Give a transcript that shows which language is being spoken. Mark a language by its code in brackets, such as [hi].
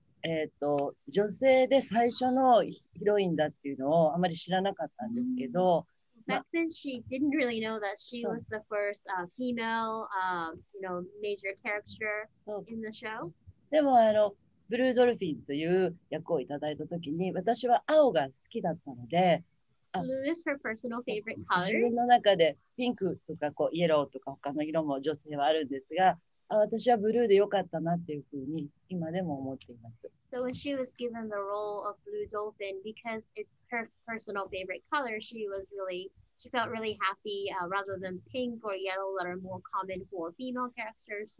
[ja] 女性で最初のヒロインだっていうのをあまり知らなかったんですけど、 [en] back then she didn't really know that she was the first female you know major character in the show. [ja] でもブルードルフィンという役をいただいたときに、私は青が好きだったので、 [en] blue is her personal favorite color. [ja] 自分の中でピンクとかこうイエローとか他の色も女性はあるんですが、私はブルーで良かったなっていうふうに今でも思っています。 [en] So when she was given the role of Blue Dolphin because it's her personal favorite color, she felt really happy rather than pink or yellow that are more common for female characters.